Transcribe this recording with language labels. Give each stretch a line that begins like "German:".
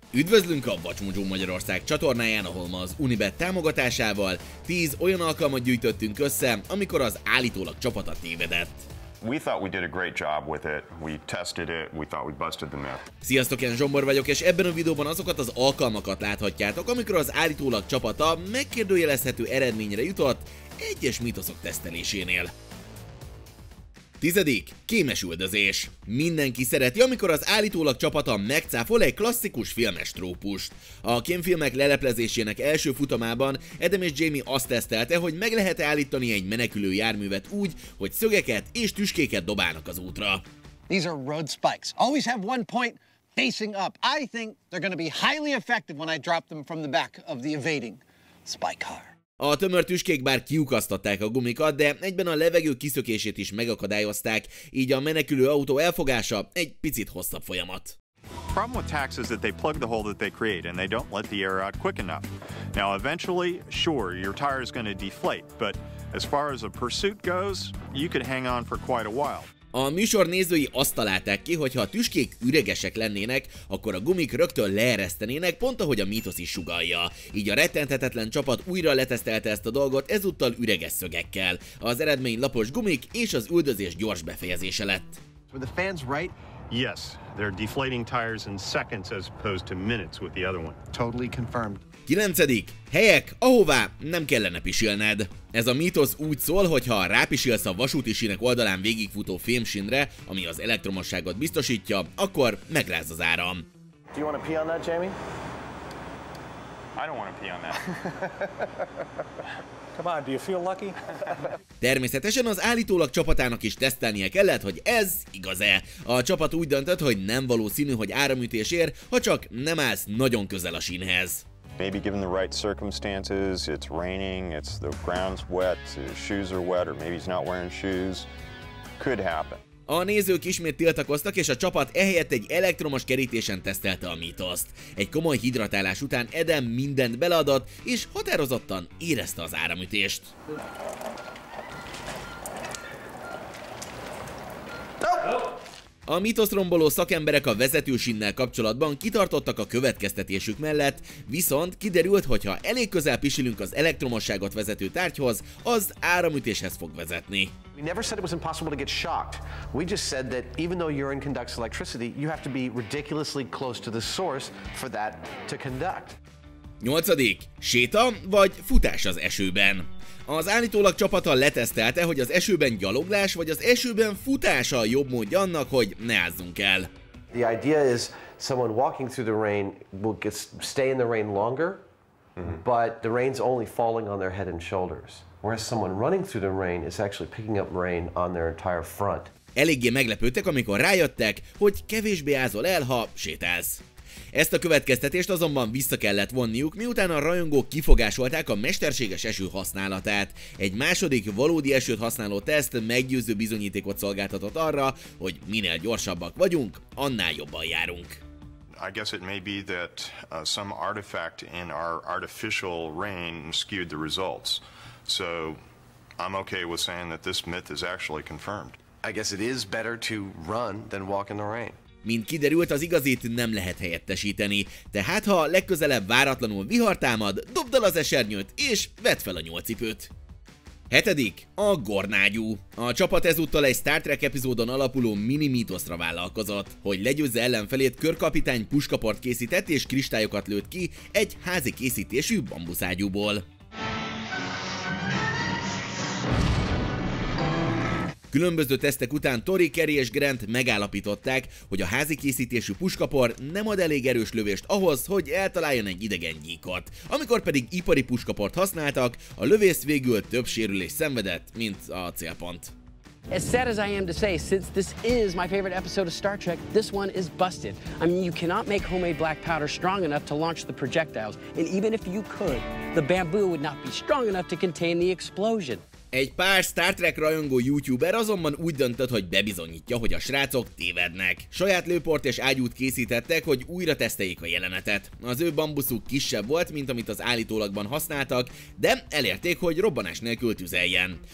Hungarian: Üdvözlünk a Vacsmodzsó Magyarország csatornáján, ahol ma az Unibet támogatásával 10 olyan alkalmat gyűjtöttünk össze, amikor az állítólag csapata tévedett.
English: We thought we did a great job with it. We tested it. We thought we busted the myth.
Hungarian: Sziasztok, én Zsombor vagyok, és ebben a videóban azokat az alkalmakat láthatjátok, amikor az állítólag csapata megkérdőjelezhető eredményre jutott egyes mítoszok tesztelésénél. 10. Kémes üldözés. Mindenki szereti, amikor az állítólag csapata megcáfol egy klasszikus filmes trópust. A kémfilmek leleplezésének első futamában Adam és Jamie azt tesztelte, hogy meg lehet-e állítani egy menekülő járművet úgy, hogy szögeket és tüskéket dobálnak az útra.
English: These are road spikes. Always have one point facing up. I think they're gonna be highly effective when I drop them from the back of the evading spike car.
Hungarian: A tömör tüskék bár kiukasztották a gumikat, de egyben a levegő kiszökését is megakadályozták, így a menekülő autó elfogása egy picit hosszabb folyamat.
English: The problem with tacks is that they plug the hole that they create and they don't let the air out quick enough. Now eventually, sure, your tire is going to deflate, but as far as a pursuit goes, you could hang on for quite a while.
Hungarian: A műsor nézői azt találták ki, hogy ha a tüskék üregesek lennének, akkor a gumik rögtön leeresztenének, pont ahogy a mítosz is sugallja. Így a rettenthetetlen csapat újra letesztelte ezt a dolgot, ezúttal üreges szögekkel. Az eredmény lapos gumik és az üldözés gyors befejezése lett.
English: Were the fans right? Yes, they're deflating tires in seconds as opposed to minutes with the other one. Totally confirmed.
Hungarian: 9. Helyek, ahová nem kellene pisilned. Ez a mítosz úgy szól, hogy ha rápisilsz a vasúti sínek oldalán végigfutó fémsínre, ami az elektromosságot biztosítja, akkor megráz az áram.
English: Do you want to pee on that, Jamie? I don't want to pee on that. Come on, do you feel lucky?
Hungarian: Természetesen az állítólag csapatának is tesztelnie kellett, hogy ez igaz-e. A csapat úgy döntött, hogy nem valószínű, hogy áramütés ér, ha csak nem állsz nagyon közel a sínhez.
English: Maybe given the right circumstances, it's raining, it's the ground's wet, his shoes are wet, or maybe he's not wearing shoes, could happen.
Hungarian: A nézők ismét tiltakoztak, és a csapat ehelyett egy elektromos kerítésen tesztelte a mítoszt. Egy komoly hidratálás után Adam mindent beleadott, és határozottan érezte az áramütést. A mítoszromboló szakemberek a vezetősínnel kapcsolatban kitartottak a következtetésük mellett, viszont kiderült, hogy ha elég közel pisilünk az elektromosságot vezető tárgyhoz, az áramütéshez fog vezetni.
English: We never said it was impossible to get shocked. We just said that even though urine conducts electricity, you have to be ridiculously close to the source for that to conduct.
Hungarian: 8. Séta vagy futás az esőben. Az állítólag csapata letesztelte, hogy az esőben gyaloglás vagy az esőben futás a jobb módja annak, hogy ne ázzunk el.
English: The idea is someone walking through the rain will stay in the rain longer, but the rain's only falling on their head and shoulders. Whereas someone running through the rain is actually picking up rain on their entire front.
Hungarian: Eléggé meglepődtek, amikor rájöttek, hogy kevésbé ázol el, ha sétálsz. Ezt a következtetést azonban vissza kellett vonniuk, miután a rajongók kifogásolták a mesterséges eső használatát. Egy második, valódi esőt használó teszt meggyőző bizonyítékot szolgáltatott arra, hogy minél gyorsabbak vagyunk, annál jobban járunk.
English: I guess it may be that some artifact in our artificial rain skewed the results. So I'm okay with saying that this myth is actually confirmed. I guess it is better to run than walk in the rain.
Hungarian: Mint kiderült, az igazit nem lehet helyettesíteni. Tehát ha legközelebb váratlanul vihar támad, dobd el az esernyőt és vedd fel a nyolcipőt. 7. A gornágyú. A csapat ezúttal egy Star Trek epizódon alapuló mini mítoszra vállalkozott. Hogy legyőzze ellenfelét, körkapitány puskaport készített és kristályokat lőtt ki egy házi készítésű bambuszágyúból. Különböző tesztek után Tori, Kerry és Grant megállapították, hogy a házi készítésű puskapor nem ad elég erős lövést ahhoz, hogy eltaláljon egy idegen gyíkot. Amikor pedig ipari puskaport használtak, a lövész végül több sérülést szenvedett, mint a célpont.
English: As sad as I am to say, since this is my favorite episode of Star Trek, this one is busted. I mean, you cannot make homemade black powder strong enough to launch the projectiles, and even if you could, the bamboo would not be strong enough to contain the explosion.
Hungarian: Egy pár Star Trek rajongó youtuber azonban úgy döntött, hogy bebizonyítja, hogy a srácok tévednek. Saját lőport és ágyút készítettek, hogy újra teszteljék a jelenetet. Az ő bambuszuk kisebb volt, mint amit az állítólagban használtak, de elérték, hogy robbanás nélkül tüzeljen.